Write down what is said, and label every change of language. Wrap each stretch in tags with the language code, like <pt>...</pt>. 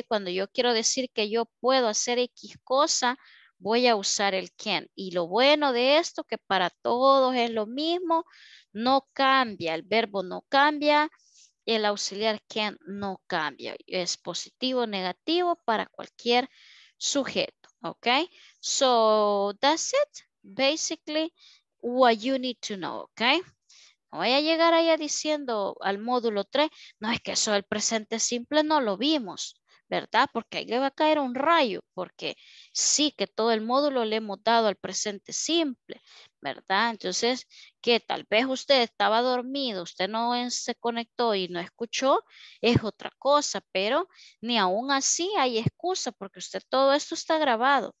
<es>Cuando yo quiero decir que yo puedo hacer X cosa, voy a usar el can. Y lo bueno de esto, que para todos es lo mismo, no cambia, el verbo no cambia, el auxiliar can no cambia. Es positivo, negativo para cualquier sujeto, ¿ok?</es> <en>So, that's it, basically, what you need to know, ¿ok?</en> <es>No voy a llegar allá diciendo al módulo 3, no, es que eso del presente simple no lo vimos, ¿verdad? Porque ahí le va a caer un rayo, porque sí que todo el módulo le hemos dado al presente simple, ¿verdad? Entonces, que tal vez usted estaba dormido, usted no se conectó y no escuchó, es otra cosa, pero ni aún así hay excusa, porque usted todo esto está grabado.</es>